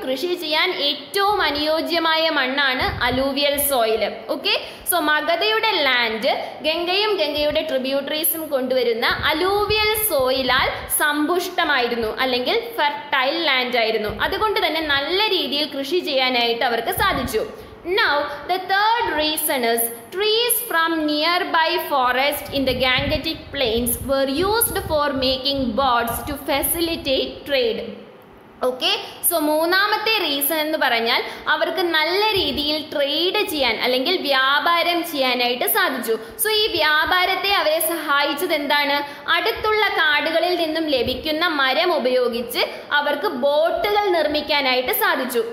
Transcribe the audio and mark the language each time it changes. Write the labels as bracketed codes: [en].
[ml] കൃഷി ചെയ്യാൻ ഏറ്റവും അനുയോജ്യമായ മണ്ണാണ് alluvial soil. Okay, so മഗധയുടെ land ഗംഗയും ഗംഗയുടെ ട്രിബ്യൂട്ടറീസും കൊണ്ടുവരുന്ന അലൂവിയൽ സോയിലാൽ സമ്പുഷ്ടമായിരുന്നു അല്ലെങ്കിൽ ഫെർട്ടൈൽ ലാൻഡ് ആയിരുന്നു. അതുകൊണ്ട് തന്നെ നല്ല രീതിയിൽ കൃഷി ചെയ്യാനായിട്ട് അവർക്ക് സാധിച്ചു. [en] Now, the third reason is trees from nearby forest in the Gangetic Plains were used for making boats to facilitate trade. [ml] Okay, so മൂന്നാമത്തെ റീസൺ എന്ന് പറഞ്ഞാൽ അവർക്ക് നല്ല രീതിയിൽ ട്രേഡ് ചെയ്യാൻ അല്ലെങ്കിൽ വ്യാപാരം ചെയ്യാനായിട്ട് സാധിച്ചു. സോ ഈ വ്യാപാരത്തെ അവരെ സഹായിച്ചത് എന്താണ്, അടുത്തുള്ള കാടുകളിൽ നിന്നും ലഭിക്കുന്ന മരം ഉപയോഗിച്ച് അവർക്ക് ബോട്ടുകൾ നിർമ്മിക്കാനായിട്ട് സാധിച്ചു.